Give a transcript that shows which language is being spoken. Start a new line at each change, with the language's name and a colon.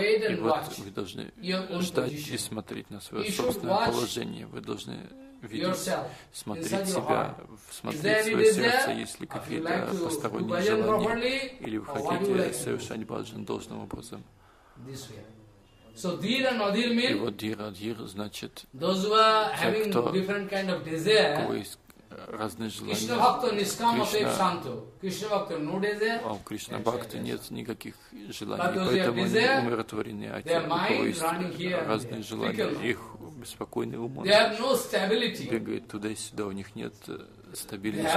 Russian: И вот вы должны ждать и смотреть на свое собственное положение. Вы должны видеть, смотреть себя, смотреть свое сердце, есть ли какие-то посторонние желания, или вы хотите совершать баджан должным образом.
English: So dhira and adhira mean.
Russian: И вот дхира, дхира значит.
English: Those who are having different kind of desire.
Russian: Разные желания.
Sanskrit: Кришна бхакта нискама пеп санто. Кришна бхакта
English: no desire.
Russian: А у Кришна бхакты нет никаких желаний, поэтому они умиротворены. А те, у кого есть разные желания, их беспокойный ум.
English: They have no stability.
Russian: Бегают туда и сюда, у них нет стабильности.